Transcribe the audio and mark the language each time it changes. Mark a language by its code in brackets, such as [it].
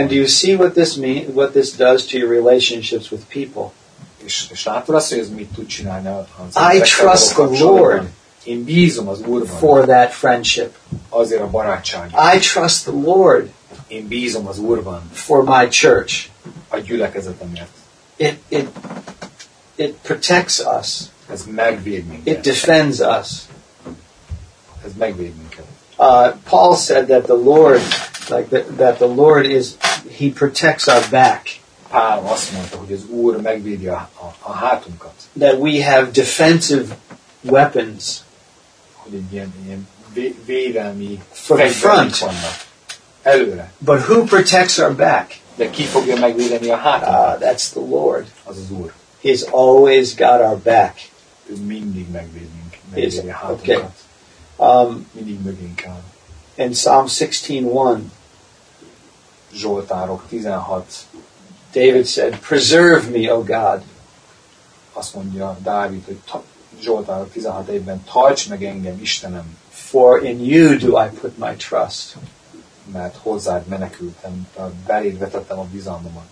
[en] And do you see what this does to your relationships with people? [hu] És látod azt, hogy ez mit tud csinálni az [en] I trust the Lord. [hu] Én bízom az Úrban. [en] For that friendship. [hu] Azért a barátságért. [en] I trust the Lord. [hu] Én bízom az Úrban. [en] For my church. [hu] A gyülekezetemért. [en] It protects us. [hu] Ez megvéd minket. [en] It defends us. [hu] Ez megvéd minket. [en] Paul said that the Lord, that the Lord is, he protects our back. [hu] Pál azt mondta, hogy az Úr megvédi a hátunkat. [en] That we have defensive weapons. [hu] Hogy egy ilyen védelmi fegyverünk vannak. Előre. [en] But who protects our back? [hu] De ki fogja megvédeni a hátunkat? [en] That's the Lord. [hu] Az az Úr. [en] He's always got our back. [hu] Ő mindig megvédi a hátunkat. Okay. Mindig mögénk áll. [en] In Psalm 16:1. [hu] Zsoltárok 16. [en] David said, "Preserve me, O God." [hu] Azt mondja Dávid, hogy Zsoltár 16:1-ben, tarts meg engem, Istenem. [en] For in you do I put my trust. [hu] Mert hozzád menekültem, beléd vetettem a bizalmamat.